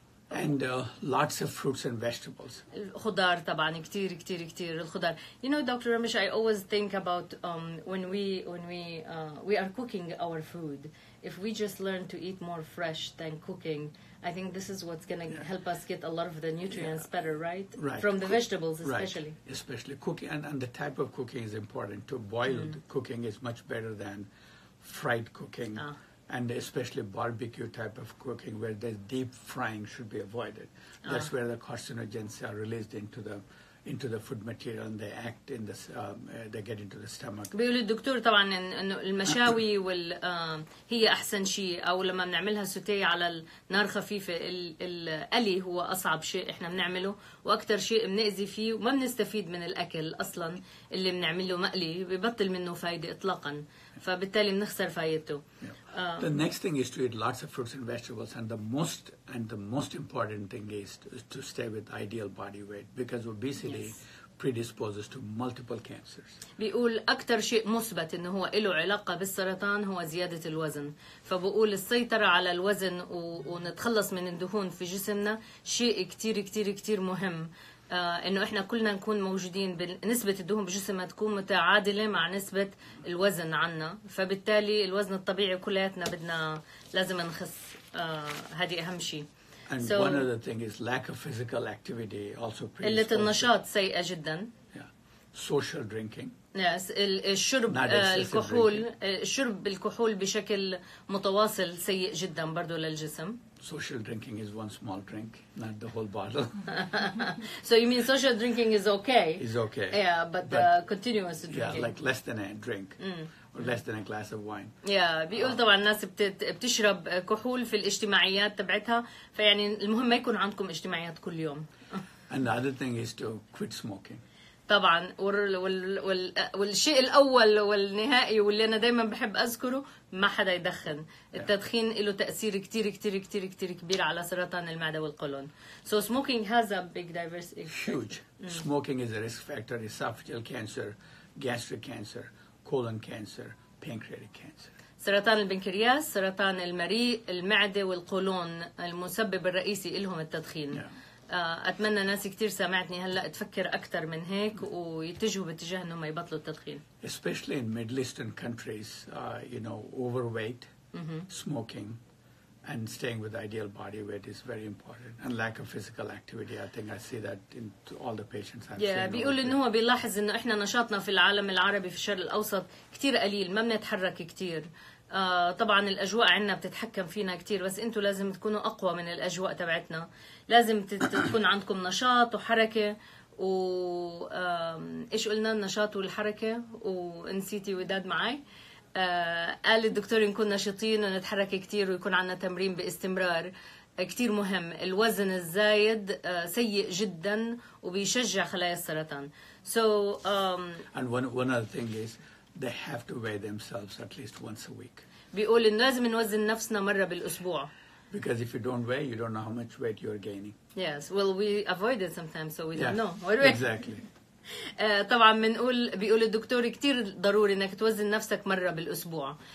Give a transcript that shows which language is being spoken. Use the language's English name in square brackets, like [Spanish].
[English] And lots of fruits and vegetables. [Arabic] الخضار طبعا كتير كتير كتير الخضار. [English] You know, Dr. Ramesh, I always think about when we are cooking our food. If we just learn to eat more fresh than cooking, I think this is what's going to help us get a lot of the nutrients better, right? Right. From the vegetables, especially. Right. Especially cooking. And the type of cooking is important too. Boiled cooking is much better than fried cooking. And especially barbecue type of cooking where the deep frying should be avoided. That's where the carcinogens are released into the into the food material and they act in the they get into the stomach. [Arabic] بيقول الدكتور طبعا إن المشاوي وال هي أحسن شيء أو لما بنعملها سوتي على النار خفيفة القلي هو أصعب شيء إحنا بنعمله وأكتر شيء بنأذي فيه وما بنستفيد من الأكل أصلا اللي بنعمله مقلي ببطل منه فايدة إطلاقا فبالتالي بنخسر فايدته. [English] The next thing is to eat lots of fruits and vegetables, and the most important thing is to stay with ideal body weight because obesity predisposes to multiple cancers. [Arabic] بيقول أكتر شيء مثبت إنه هو إله علاقة بالسرطان هو زيادة الوزن. فبقول السيطرة على الوزن ونتخلص من الدهون في جسمنا شيء كتير كتير كتير مهم. إنه إحنا كلنا نكون موجودين بنسبة الدهون بجسمنا تكون متعادلة مع نسبة الوزن عنا فبالتالي الوزن الطبيعي كلياتنا بدنا لازم نخس هذه أهم شيء. [English] And so, one other thing is lack of physical activity also predisposes. [Arabic] قلة النشاط سيئة جدا. [English] Social drinking. [Arabic] Yes, الشرب الكحول شرب الكحول بشكل متواصل سيء جدا برضو للجسم. [English] Social drinking is one small drink, not the whole bottle. So you mean social drinking is okay? It's okay. Yeah, but continuous drinking. Yeah, like less than a drink or less than a glass of wine. [Arabic] Yeah, بيقول طبعا الناس بتشرب كحول في الاجتماعيات تبعتها فيعني المهم ما يكون عندكم اجتماعيات كل يوم. [English] And the other thing is to quit smoking. [Arabic] طبعا والشيء الأول والنهائي واللي أنا دايما بحب أذكره ما حدا يدخن التدخين له تأثير كتير كتير كتير كتير كبير على سرطان المعدة والقولون. [English] So smoking has a big diverse effect. Huge. Smoking is a risk factor. Esophageal cancer, gastric cancer, colon cancer, pancreatic cancer. [Arabic] سرطان البنكرياس, سرطان المريء, المعدة والقولون المسبب الرئيسي لهم التدخين. [English] Yeah. [Arabic] أتمنى ناس كتير سمعتني هلأ تفكر أكتر من هيك ويتجهوا باتجاه إنهم يبطلوا التدخين. [English] Especially in Middle Eastern countries, you know, overweight, smoking, and staying with ideal body weight is very important. And lack of physical activity, I think I see that in all the patients I've seen. [Arabic] Yeah, بيقول إنه هو بيلاحظ إنه إحنا نشاطنا في العالم العربي في الشرق الأوسط كتير قليل ما بنتحرك كتير. طبعا الأجواء عندنا بتتحكم فينا كتير بس أنتوا لازم تكونوا أقوى من الأجواء تبعتنا لازم تكون عندكم نشاط وحركة وإيش قلنا النشاط والحركة ونسيتي وداد معي قال الدكتور نكون نشيطين ونتحرك كتير ويكون عندنا تمرين باستمرار كتير مهم الوزن الزايد سيء جدا وبيشجع خلايا السرطان. [English] So, and one other thing is they have to weigh themselves at least once a week. [Arabic] بيقول إن لازم نوزن نفسنا مرة بالأسبوع. [English] Because if you don't weigh, you don't know how much weight you're gaining. Yes, well, we avoid it sometimes, so we yes. don't know. Exactly. [Arabic] طبعا منقول بيقول الدكتور كتير ضروري إنك توزن نفسك مرة بالأسبوع.